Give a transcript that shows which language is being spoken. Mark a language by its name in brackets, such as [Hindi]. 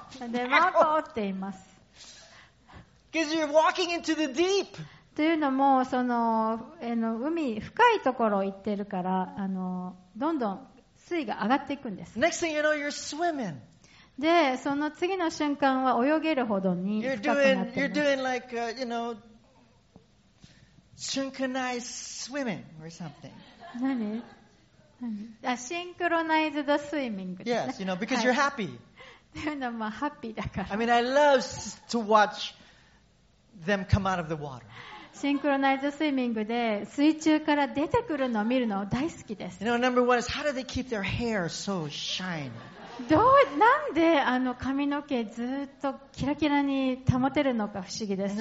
[Japanese] で、マーコーって言います。 [English] Because you're walking into the deep. [Japanese] というのも、その、海、深いところを行ってるから、どんどん水位が上がっていくんです。 [English] Next thing you know, you're swimming. [Japanese] で、その次の瞬間は泳げるほどに深くなってます。 [English] You're doing like, you know, synchronized swimming or something. [Japanese] 何？あ、シンクロナイズドスイミングですね。 [English] Yes, you know, because you're happy. [Japanese] っていうのはハッピーだから。 [English] I mean, I love to watch them come out of the water. [Japanese] シンクロナイズスイミングで水中から出てくるのを見るの大好きです。 [English] You know, number one is how do they keep their hair so shiny? [Japanese] どう、なんで髪の毛ずっとキラキラに保てるのか不思議です。